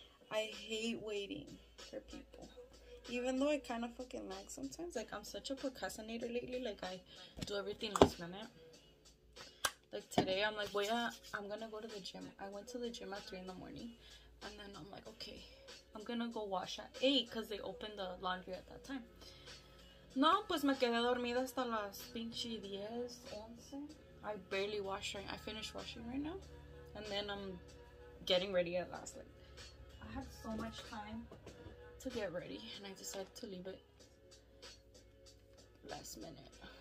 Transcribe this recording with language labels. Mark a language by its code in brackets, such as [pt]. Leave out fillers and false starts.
[en] I hate waiting for people. Even though I kind of fucking lag sometimes. Like, I'm such a procrastinator lately. Like, I do everything last minute. Like, today, I'm like, wait, I'm going to go to the gym. I went to the gym at 3 in the morning, and then I'm like, okay. I'm gonna go wash at 8 because they opened the laundry at that time. [es] No, pues me quedé dormida hasta las pinche 10, 11. [en] I barely washed right. I finished washing right now. And then I'm getting ready at last. Like, I had so much time to get ready and I decided to leave it last minute.